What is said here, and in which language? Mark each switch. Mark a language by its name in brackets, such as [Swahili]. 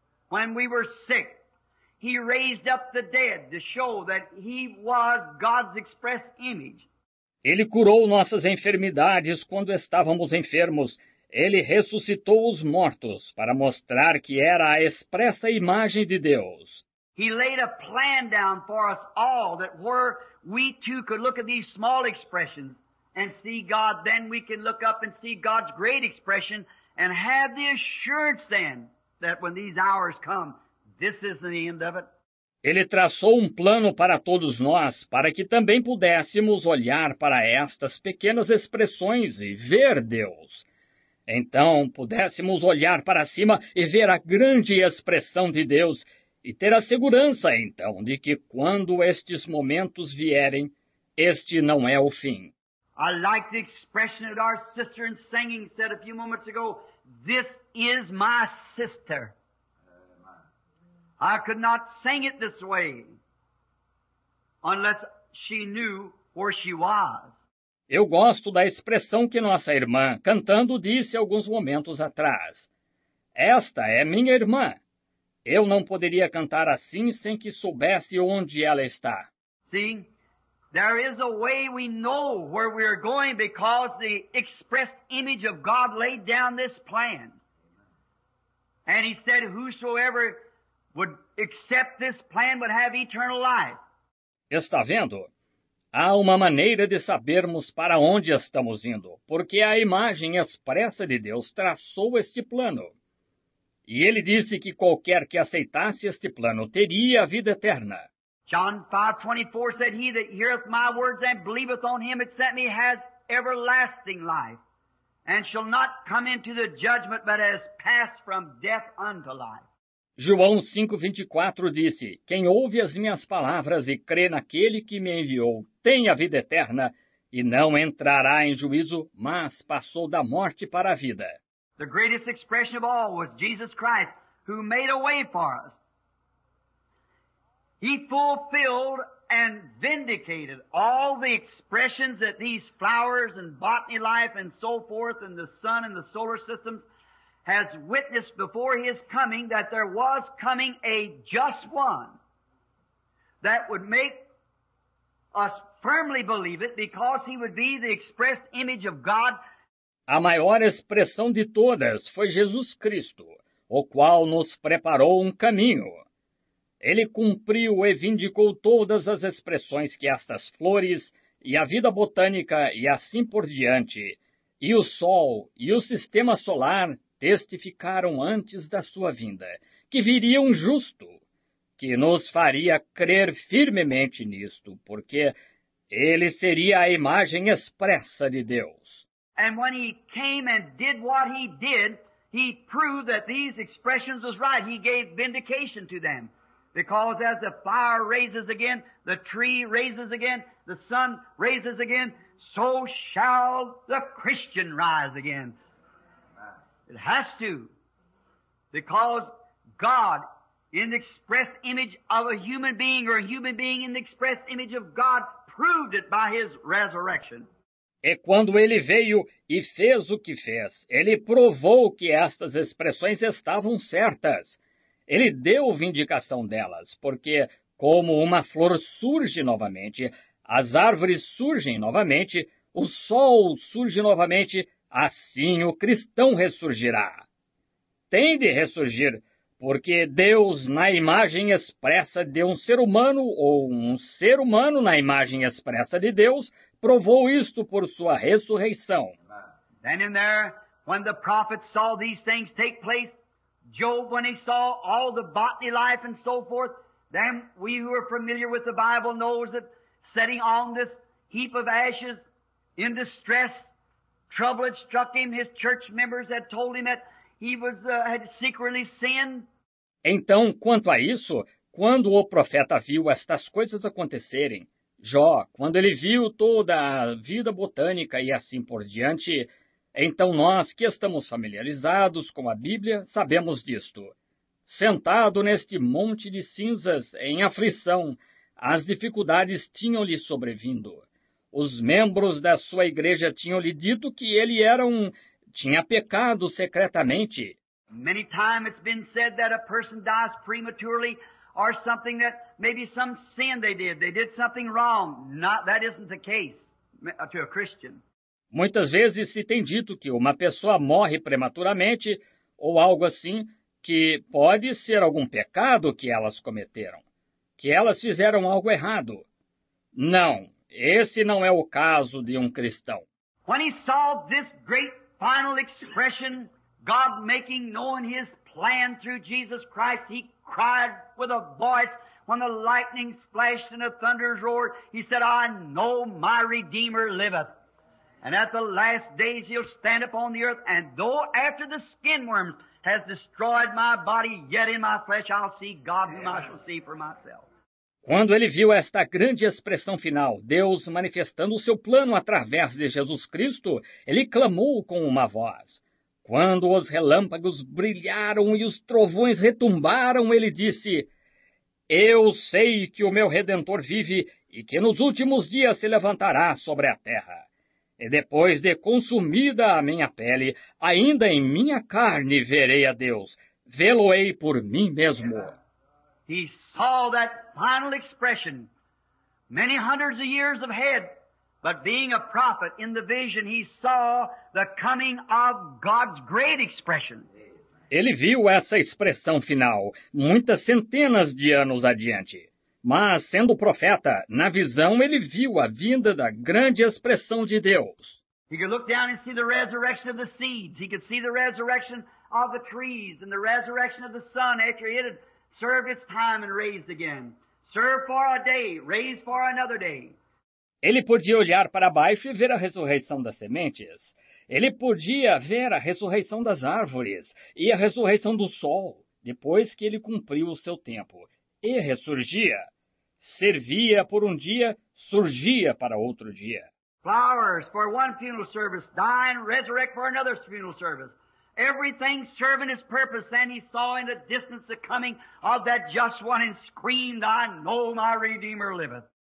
[English] When we were sick, he raised up the dead to show that he was God's express image. [Portuguese] Ele curou nossas enfermidades quando estávamos enfermos. Ele ressuscitou os mortos para mostrar que era a expressa imagem de Deus. [English] He laid a plan down for us all that where we too could look at these small expressions and see God. Then we can look up and see God's great expression and have the assurance then that when these hours come, this is the end of it. [Portuguese] Ele traçou um plano para todos nós, para que também pudéssemos olhar para estas pequenas expressões e ver Deus. Então pudéssemos olhar para cima e ver a grande expressão de Deus e ter a segurança, então, de que quando estes momentos vierem, este não é o fim. [English] I like the expression that our sister in singing said a few moments ago, "This is my sister." I could not sing it this way unless she knew where she was. [Portuguese] Eu gosto da expressão que nossa irmã, cantando, disse alguns momentos atrás. Esta é minha irmã. Eu não poderia cantar assim sem que soubesse onde ela está. Sim, [English] there is a way we know where we are going because the expressed image of God laid down this plan. And he said, whosoever would accept this plan would have eternal life. [Portuguese] Está vendo? Há uma maneira de sabermos para onde estamos indo, porque a imagem expressa de Deus traçou este plano. E ele disse que qualquer que aceitasse este plano teria a vida eterna. [English] John 5:24 said, "He that heareth my words and believeth on him that sent me has everlasting life, and shall not come into the judgment, but has passed from death unto life." [Portuguese] João 5:24 disse, "Quem ouve as minhas palavras e crê naquele que me enviou, tem a vida eterna e não entrará em juízo, mas passou da morte para a vida." [English] The greatest expression of all was Jesus Christ, who made a way for us. He fulfilled and vindicated all the expressions that these flowers and botany life and so forth and the sun and the solar system has witnessed before his coming, that there was coming a just one that would make us firmly believe it, because he would be the expressed image of God. [Portuguese] A maior expressão de todas foi Jesus Cristo, o qual nos preparou um caminho. Ele cumpriu e vindicou todas as expressões que estas flores e a vida botânica e assim por diante, e o sol e o sistema solar testificaram antes da sua vinda, que viria um justo, que nos faria crer firmemente nisto, porque ele seria a imagem expressa de Deus. [English] And when he came and did what he did, he proved that these expressions was right. He gave vindication to them. Because as the fire raises again, the tree raises again, the sun raises again, so shall the Christian rise again. It has to, because God, in the expressed image of a human being, or a human being in the expressed image of God, proved it by his resurrection. [Portuguese] E quando ele veio e fez o que fez, ele provou que estas expressões estavam certas. Ele deu vindicação delas, porque como uma flor surge novamente, as árvores surgem novamente, o sol surge novamente, assim o cristão ressurgirá. Tem de ressurgir, porque Deus, na imagem expressa de um ser humano, ou um ser humano na imagem expressa de Deus, provou isto por sua ressurreição. [English] Then and there, when the prophet saw these things take place, Job, when he saw all the botany life and so forth, then we who are familiar with the Bible knows that sitting on this heap of ashes in distress, trouble had struck him. His church members had told him that he was had secretly sinned. [Portuguese] Então, quanto a isso, quando o profeta viu estas coisas acontecerem, Jó, quando ele viu toda a vida botânica e assim por diante, então nós que estamos familiarizados com a Bíblia sabemos disto. Sentado neste monte de cinzas, em aflição, as dificuldades tinham-lhe sobrevindo. Os membros da sua igreja tinham lhe dito que ele era um... tinha pecado secretamente. [English] Many times it's been said that a person dies prematurely or something that maybe some sin they did something wrong. Not, that isn't the case to a Christian. [Portuguese] Muitas vezes se tem dito que uma pessoa morre prematuramente ou algo assim, que pode ser algum pecado que elas cometeram, que elas fizeram algo errado. Não. Esse não é o caso de um cristão. [English] When he saw this great final expression, God making known his plan through Jesus Christ, he cried with a voice when the lightning splashed and the thunders roared. He said, "I know my Redeemer liveth." And at the last days he'll stand upon the earth, and though after the skin worms has destroyed my body, yet in my flesh I'll see God whom I shall see for myself. [Portuguese] Quando ele viu esta grande expressão final, Deus manifestando o seu plano através de Jesus Cristo, ele clamou com uma voz. Quando os relâmpagos brilharam e os trovões retumbaram, ele disse: Eu sei que o meu Redentor vive e que nos últimos dias se levantará sobre a terra. E depois de consumida a minha pele, ainda em minha carne verei a Deus. Vê-lo-ei por mim mesmo. [English] He saw that final expression many hundreds of years ahead, but being a prophet in the vision, he saw the coming of God's great expression. [Portuguese] Ele viu essa expressão final muitas centenas de anos adiante. Mas, sendo profeta, na visão ele viu a vinda da grande expressão de Deus. [English] He could look down and see the resurrection of the seeds. He could see the resurrection of the trees and the resurrection of the sun after it had served its time and raised again. Served for a day, raised for another day. [Portuguese] Ele podia olhar para baixo e ver a ressurreição das sementes. Ele podia ver a ressurreição das árvores e a ressurreição do sol depois que ele cumpriu o seu tempo. E ressurgia. Servia por um dia, surgia para outro dia. [English] Flowers for one funeral service, die and resurrect for another funeral service. Everything serving its purpose, and he saw in the distance the coming of that just one and screamed, I know my Redeemer liveth.